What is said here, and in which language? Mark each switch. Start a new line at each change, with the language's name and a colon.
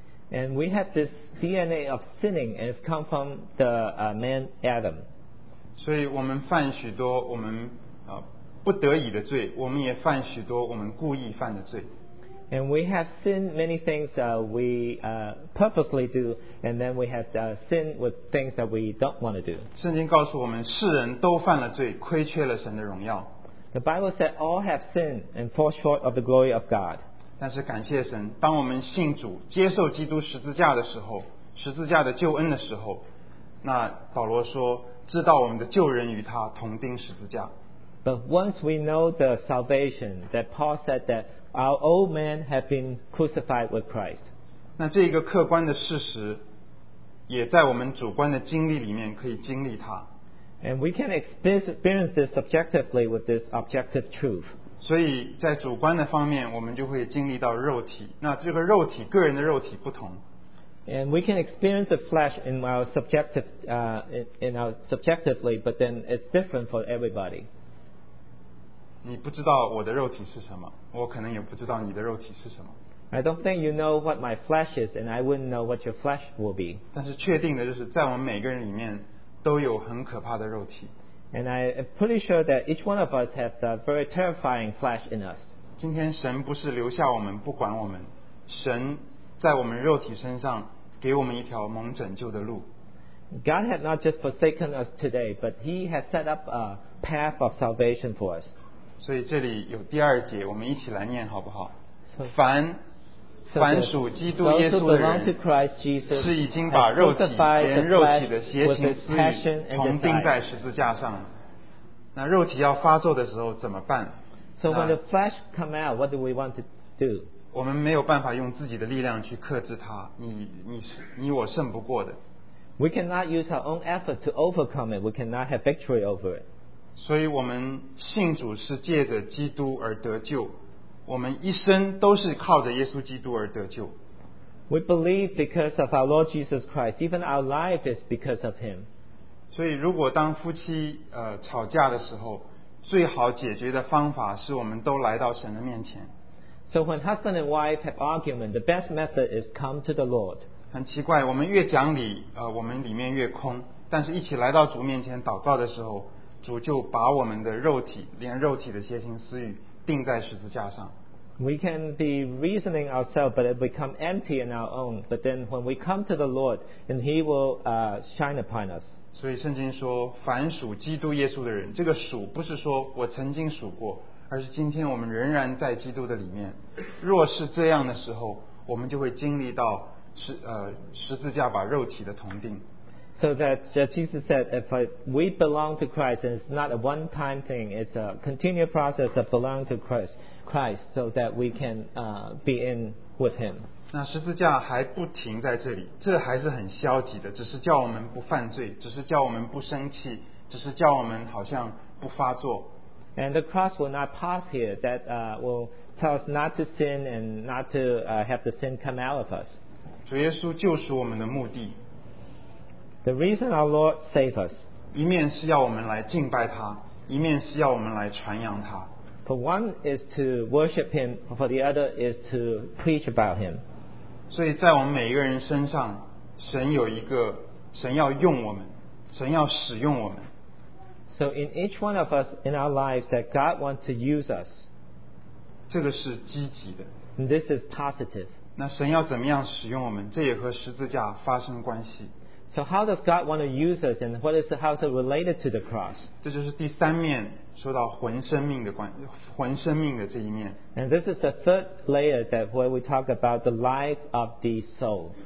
English: And we have this DNA of sinning, and it's come from the man Adam.
Chinese: 所以我们犯许多我们不得已的罪，我们也犯许多我们故意犯的罪。
English: And we have sinned many things we purposely do, and then we have sinned with things that we don't want to do.
Chinese: 圣经告诉我们，世人都犯了罪，亏缺了神的荣耀。
English: The Bible said all have sinned and fall short of the glory of God.
Chinese: 但是感谢神，当我们信主、接受基督十字架的时候，十字架的救恩的时候，那保罗说，知道我们的旧人与他同钉十字架。
English: But once we know the salvation, that Paul said that our old man had been crucified with Christ.
Chinese: 那这个客观的事实也在我们主观的经历里面可以经历它。
English: And we can experience this subjectively with this objective truth.
Chinese: 所以在主观的方面，我们就会经历到肉体。那这个肉体，个人的肉体不同。
English: And we can experience the flesh in our subjective, in our subjectively, but then it's different for everybody.
Chinese: 你不知道我的肉体是什么，我可能也不知道你的肉体是什么。
English: I don't think you know what my flesh is, and I wouldn't know what your flesh will be.
Chinese: 但是确定的就是，在我们每个人里面都有很可怕的肉体。
English: And I'm pretty sure that each one of us has a very terrifying flesh in us.
Chinese: 今天神不是留下我们不管我们，神在我们肉体身上给我们一条蒙拯救的路。
English: God has not just forsaken us today, but He has set up a path of salvation for us.
Chinese: 所以这里有第二节，我们一起来念好不好？凡凡属基督耶稣的人，是已经把肉体连肉体的邪情私欲同钉在十字架上。那肉体要发作的时候怎么办
English: ？So when the flesh come out, what do we want to do？
Chinese: 我们没有办法用自己的力量去克制它，你我胜不过的。
English: We cannot use our own effort to overcome it. We cannot have victory over it.
Chinese: 所以我们信主是借着基督而得救。我们一生都是靠着耶稣基督而得救。
English: We believe because of our Lord Jesus Christ. Even our life is because of Him.
Chinese: 所以如果当夫妻吵架的时候，最好解决的方法是我们都来到神的面前。
English: So when husband and wife have argument, the best method is come to the Lord.
Chinese: 很奇怪，我们越讲理，我们里面越空。但是一起来到主面前祷告的时候，主就把我们的肉体，连肉体的邪情私欲定在十字架上。
English: We can be reasoning ourselves, but it become empty in our own. But then, when we come to the Lord, and He will shine upon us.
Chinese: 所以圣经说，凡属基督耶稣的人，这个属不是说我曾经属过，而是今天我们仍然在基督的里面。若是这样的时候，我们就会经历到十字架把肉体的同定。
English: So that Jesus said, if we belong to Christ, and it's not a one-time thing, it's a continual process of belonging to Christ, so that we can be in with Him.
Chinese: 那十字架还不停在这里，这还是很消极的，只是叫我们不犯罪，只是叫我们不生气，只是叫我们好像不发作。
English: And the cross will not pause here. That will tell us not to sin and not to have the sin come out of us.
Chinese: 主耶稣救赎我们的目的。
English: The reason our Lord saved us.
Chinese: 一面是要我们来敬拜他，一面是要我们来传扬他。
English: For one is to worship Him, for the other is to preach about Him.
Chinese: 所以在我们每一个人身上，神有一个，神要用我们，神要使用我们。
English: So in each one of us in our lives that God wants to use us.
Chinese: 这个是积极的。
English: And this is positive.
Chinese: 那神要怎么样使用我们，这也和十字架发生关系。
English: So how does God want to use us, and what is the house related to the cross?
Chinese: 这就是第三面说到魂生命的关，魂生命的这一面。
English: And this is the third layer that where we talk about the life of the soul.